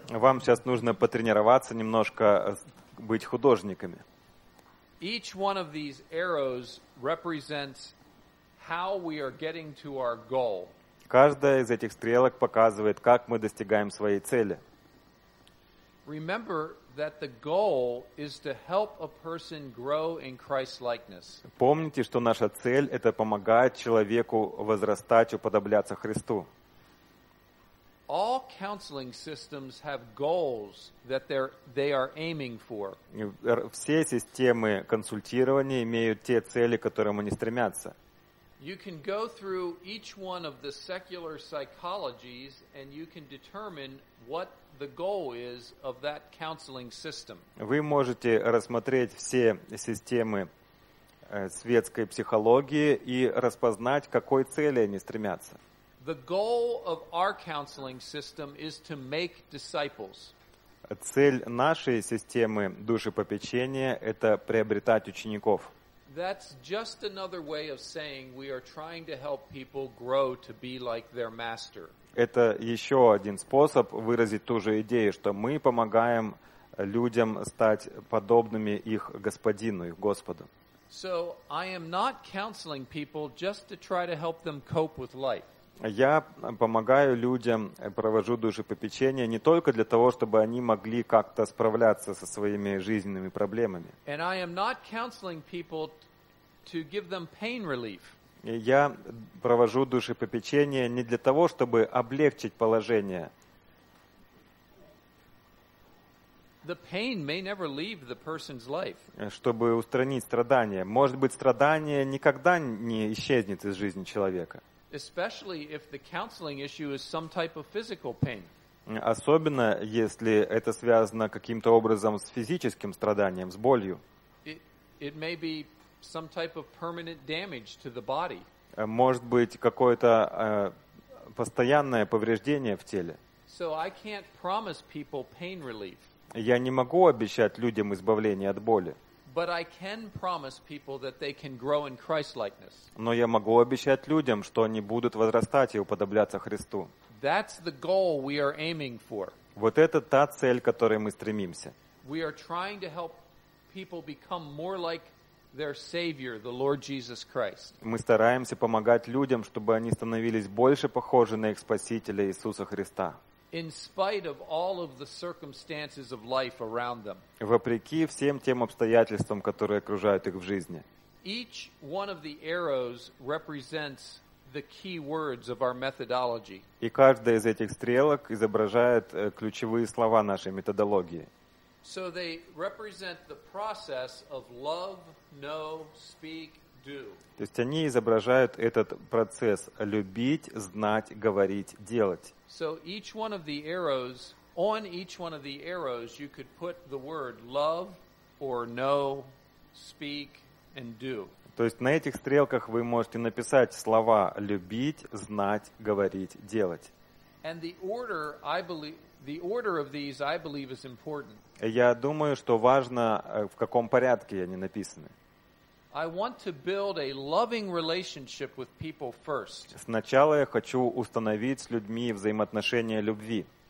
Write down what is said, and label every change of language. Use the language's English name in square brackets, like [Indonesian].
[Russian] Вам сейчас нужно потренироваться немножко быть художниками. [English] Each one of these arrows represents how we are getting to our goal. [Russian] Каждая из этих стрелок показывает, как мы достигаем своей цели. [English] Remember that the goal is to help a person grow in Christ-likeness. [Russian] Помните, что наша цель — это помогать человеку возрастать, уподобляться Христу. [English] All counseling systems have goals that they are aiming for. [Russian] Все системы консультирования имеют те цели, к которым они стремятся. [English] You can go through each one of the secular psychologies and you can determine what the goal is of that counseling system. [Russian] Вы можете рассмотреть все системы светской психологии и распознать, к какой цели они стремятся. [English] The goal of our counseling system is to make disciples. [Russian] Цель нашей системы душепопечения — это приобретать учеников. [English] That's just another way of saying we are trying to help people grow to be like their master. [Russian] Это еще один способ выразить ту же идею, что мы помогаем людям стать подобными их господину, их Господу. [English] So I am not counseling people just to try to help them cope with life. [Russian] Я помогаю людям, провожу душепопечение не только для того, чтобы они могли как-то справляться со своими жизненными проблемами. [English] And I am not counseling people to give them pain relief. [Russian] Я провожу душепопечение не для того, чтобы облегчить положение. [English] the pain may never leave the person's life. [Russian] Чтобы устранить страдания. Может быть, страдание никогда не исчезнет из жизни человека. [English] Especially if the counseling issue is some type of physical pain. [Russian] Особенно если это связано каким-то образом с физическим страданием, с болью. [English] It may be some type of permanent damage to the body. [Russian] Может быть, какое-то постоянное повреждение в теле. [English] So I can't promise people pain relief. [Russian] Я не могу обещать людям избавление от боли. [English] But I can promise people that they can grow in Christ-likeness. [Russian] Но я могу обещать людям, что они будут возрастать и уподобляться Христу. [English] That's the goal we are aiming for. [Russian] Вот это та цель, к которой мы стремимся. [English] We are trying to help people become more like their Savior, the Lord Jesus Christ. [Russian] Мы стараемся помогать людям, чтобы они становились больше похожи на их Спасителя Иисуса Христа. [English] In spite of all of the circumstances of life around them. [Russian] Вопреки всем тем обстоятельствам, которые окружают их в жизни. [English] Each one of the arrows represents the key words of our methodology. [Russian] И каждая из этих стрелок изображает ключевые слова нашей методологии. [English] So they represent the process of love, know, speak, do. [Russian] То есть они изображают этот процесс любить, знать, говорить, делать. [English] So each one of the arrows, on each one of the arrows, you could put the word love or know, speak and do. [Russian] То есть на этих стрелках вы можете написать слова любить, знать, говорить, делать. [English] And the order, I believe, the order of these, I believe, is important. [Russian] Я думаю, что важно, в каком порядке они написаны. [English] I want to build a loving relationship with people first. [Russian] Сначала я хочу установить с людьми взаимоотношения любви.